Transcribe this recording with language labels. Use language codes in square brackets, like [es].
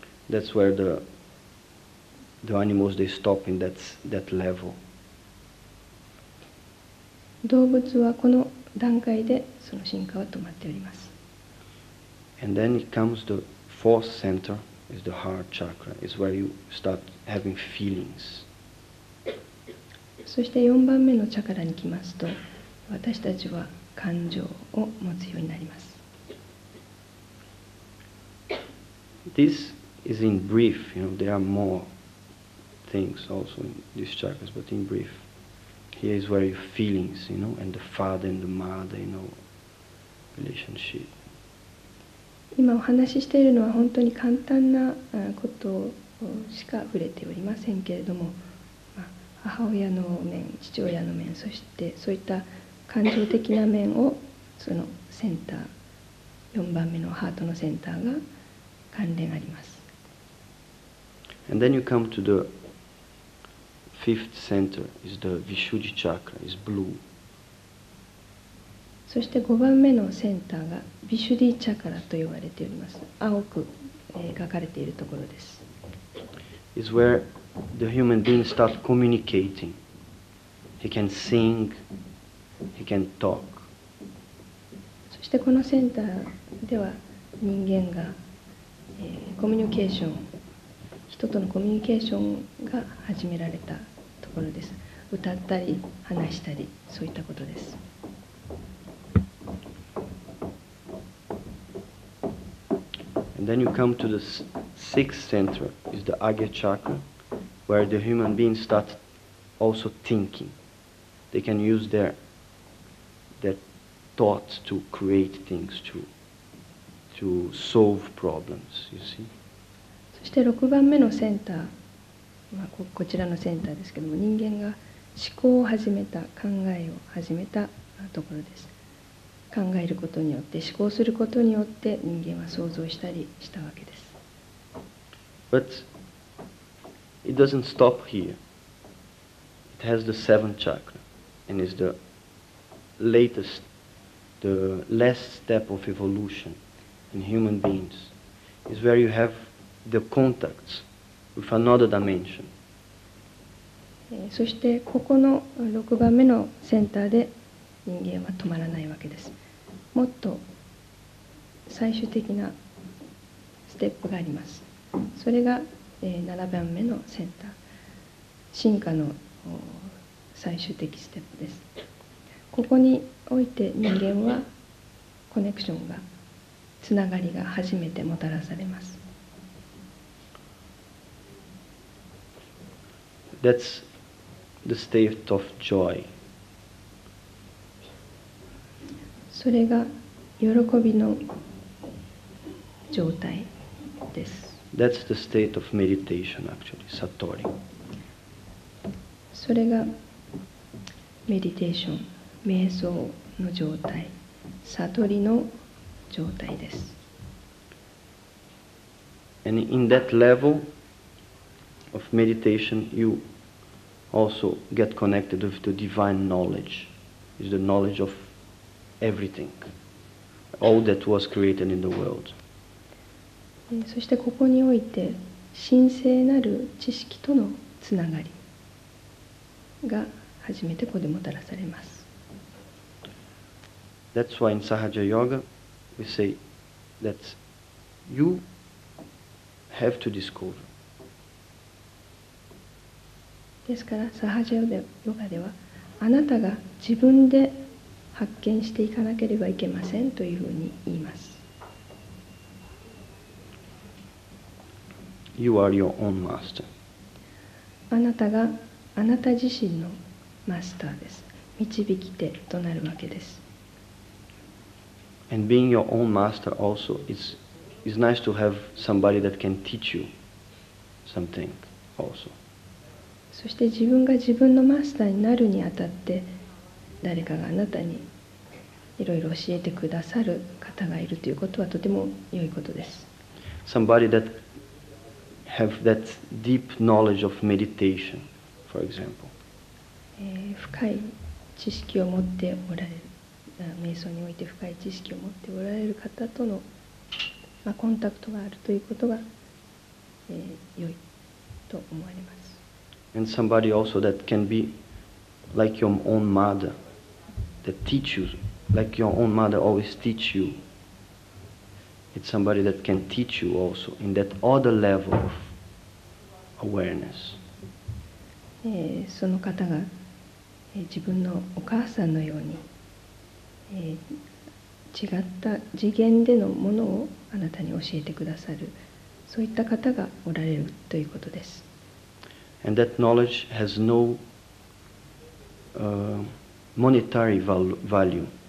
[en] That's where the animals they stop in that level. [ja] 動物はこの段階でその進化は止まっております。 [en] And then it comes the fourth center is the heart chakra. It's where you start having feelings. [ja] そして4番目のチャクラに来ますと、私たちは感情を持つようになります。 [en] This is in brief, you know, there are more things also in these chakras, but in brief, here is where your feelings, you know, and the father and the mother, you know, relationship. [ja] 今お話ししているのは本当に簡単なことしか触れておりませんけれども、母親の面、父親の面、そしてそういった感情的な面をそのセンター、4番目のハートのセンターが関連あります。 [en] And then you come to the fifth center, is the Vishuddhi chakra, is blue. [ja] そして5番目のセンターが Vishuddhi chakra と呼ばれております。青く、書かれているところです。 [en] Is where the human being starts communicating. He can sing, he can talk. [ja] そしてこのセンターでは人間が、コミュニケーション、人とのコミュニケーションが始められたところです。歌ったり話したり、そういったことです。 [en] And then you come to the sixth center, is the Ajna chakra, where the human being starts also thinking. They can use their thoughts to create things, to solve problems, you see. [ja] そして6番目のセンター、まあ、こちらのセンターですけども、人間が思考を始めた、考えを始めたところです。考えることによって、思考することによって、人間は想像したりしたわけです。 [en] But it doesn't stop here. It has the seventh chakra, and is the latest, the last step of evolution in human beings. It's where you have the contacts with another dimension. [ja] そして、ここの6番目のセンターで、人間は止まらないわけです。もっと最終的なステップがあります。それが、7番目のセンター、進化の最終的ステップです。ここにおいて人間はコネクションが、つながりが初めてもたらされます。 [en] That's the state of joy. [ja] それが喜びの状態です。 [en] That's the state of meditation, actually, satori. [ja] それがメディテーション、瞑想の状態、悟りの状態です。 [en] And in that level of meditation, you also get connected with the divine knowledge, is the knowledge of everything. All that was created in the world. [ja] そしてここにおいて神聖なる知識とのつながりが初めてここでもたらされます。 [en] That's why in Sahaja Yoga we say that you have to discover. [ja] ですから、Sahaja Yoga ではあなたが自分で発見していかなければいけませんというふうに言います。 [en] You are your own master. [ja] あなたがあなた自身のマスターです。導き手となるわけです。 [en] And being your own master also is nice to have somebody that can teach you something also. [ja] そして自分が自分のマスターになるにあたって誰かがあなたにいろいろ教えてくださる方がいるということはとても良いことです。 [en] Somebody that have that deep knowledge of meditation, for example. [ja] 深い知識を持っておられる、瞑想において深い知識を持っておられる方との、まあ、コンタクトがあるということが、良いと思われます。 [en] And somebody also that can be like your own mother, that teach you. Like your own mother always teach you. It's somebody that can teach you also in that other level of awareness. [ja] その方が、自分のお母さんのように、違った次元でのものをあなたに教えてくださる、そういった方がおられるということです。 [en] And that knowledge has no, monetary value.